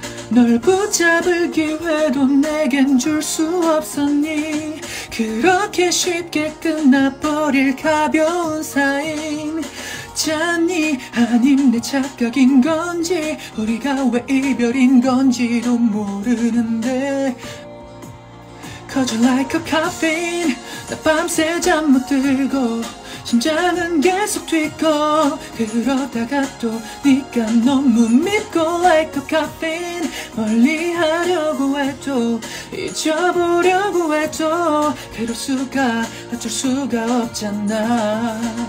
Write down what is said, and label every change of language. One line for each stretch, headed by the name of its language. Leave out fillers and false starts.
Korean: 널 붙잡을 기회도 내겐 줄 수 없었니. 그렇게 쉽게 끝나버릴 가벼운 사인. 잖니 아님 내 착각인 건지 우리가 왜 이별인 건지도 모르는데.
English: 'Cause you're like a caffeine.
Korean: 나 밤새 잠 못 들고 심장은 계속 뛰고. 그러다가 또 네가 너무 믿고.
English: Like a caffeine.
Korean: 멀리 하려고 해도 잊어보려고 해도 그럴 수가 어쩔 수가 없잖아.